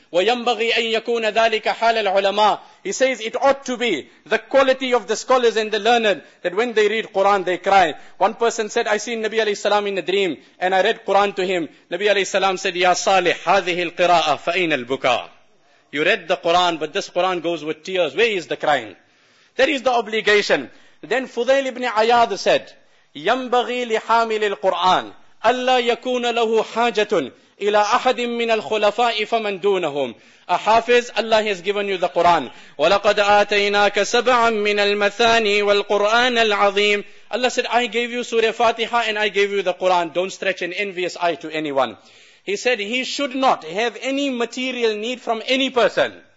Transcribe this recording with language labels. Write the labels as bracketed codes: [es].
[ar] وَيَنْبَغِي أَن يَكُونَ ذَلِكَ حَالَ الْعُلَمَاءِ [en] He says it ought to be the quality of the scholars and the learned that when they read Quran, they cry. One person said, I seen Nabi alayhi salam in a dream and I read Quran to him. Nabi alayhi salam said, [ar] يَا صَالِحْ هَذِهِ الْقِرَاءَ فَأَيْنَ الْبُكَاءِ [en] You read the Quran, but this Quran goes with tears. Where is the crying? That is the obligation. Then Fudayl ibn Ayyad said, [ar] يَنْبَغِي لِحَامِلِ الْقُرْآنِ أَلَّا يَكُونَ لَهُ حَاجَةٌ إِلَىٰ أَحَدٍ مِّنَ الْخُلَفَاءِ فَمَنْ دُونَهُمْ. [en] A Hafiz, Allah has given you the Quran. [ar] وَلَقَدْ آتَيْنَاكَ سَبْعًا مِّنَ الْمَثَانِي وَالْقُرْآنَ الْعَظِيمِ. [en] Allah said, I gave you Surah Fatiha and I gave you the Quran. Don't stretch an envious eye to anyone. He said he should not have any material need from any person.